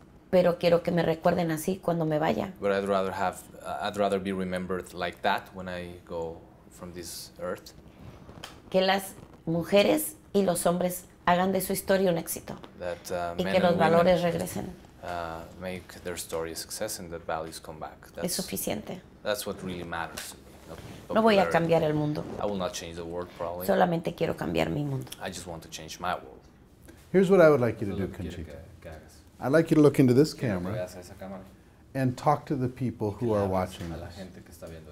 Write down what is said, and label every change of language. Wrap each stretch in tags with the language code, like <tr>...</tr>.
<es>Pero quiero que me recuerden así cuando me vaya.</es> <en>But I'd rather be remembered like that when I go from this earth.</en> <es>Que las mujeres y los hombres hagan de su historia un éxito.</es> <en>That,</en> <es>y que los valores regresen.</es> <en>Make their story a success and the values come back.</en> <es>Es suficiente.</es> <en>That's what really matters.</en> <es>No voy a cambiar el mundo.</es> <en>I will not change the world, probably.</en> <es>Solamente quiero cambiar mi mundo.</es> <en>I just want to change my world. Here's what I would like you to do, Conchita. I'd like you to look into this camera and talk to the people who are watching this.</en>